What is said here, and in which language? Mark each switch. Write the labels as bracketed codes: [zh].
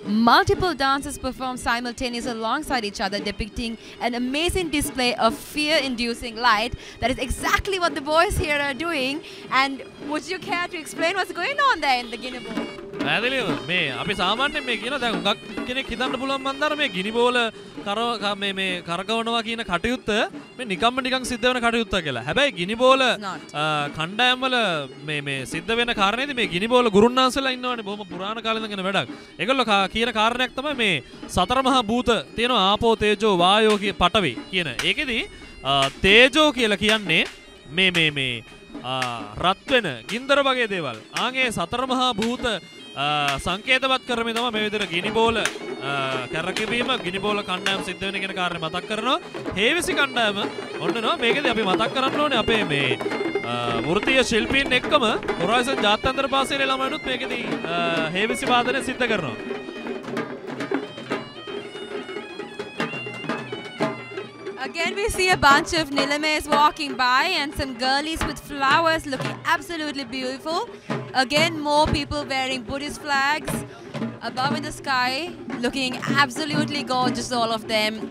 [en] Multiple dancers perform simultaneously alongside each other, depicting an amazing display of fear-inducing light. That is exactly what the boys here are doing. And would you care to explain what's going on there in the Guinea bowl? [si] ඇදලියෝ මේ අපි සාමාන්‍යයෙන් මේ කියන දැන් හුඟක් කෙනෙක් හිතන්න පුළුවන් මන්දාර මේ ගිනි බෝල කරව මේ මේ කරකවනවා කියන කටයුත්ත මේ නිකම්ම නිකන් සිද්ධ වෙන කටයුත්ත කියලා. හැබැයි ගිනි බෝල කණ්ඩායම් වල මේ මේ සිද්ධ වෙන කාරණේද මේ ගිනි බෝල ගුරුන්නාන්සලා ඉන්නවනේ බොහොම පුරාණ කාලේ ඉඳන්ගෙන වැඩක්. ඒගොල්ලෝ කියන කාරණයක් තමයි මේ සතර මහා භූත තියෙනවා ආපෝ තේජෝ වායෝ කිය පටවි කියන. ඒකෙදි තේජෝ කියලා කියන්නේ මේ මේ මේ රත් වෙන ගින්දර වගේ දේවල්. ආගේ සතර මහා භූත සංකේතවත් කරමින් තමයි මේ විදිහට ගිනි බෝල කරකැවීම ගිනි බෝල කණ්ඩායම් සිද්ධ වෙන කියන කාරණේ මතක් කරනවා. හේවිසි කණ්ඩායම ඔන්නනවා මේකදී අපි මතක් කරන්න ඕනේ අපේ මේ වෘත්තීය ශිල්පීන් එක්කම හොරයිසන් ජාත්‍යන්තර පාසලේ ළමයිනුත් මේකදී හේවිසි වාදනය සිද්ධ කරනවා. [en] Again, we see a bunch of nilames walking by and some girlies with flowers looking absolutely beautiful. Again, more people wearing Buddhist flags above in the sky, looking absolutely gorgeous, all of them.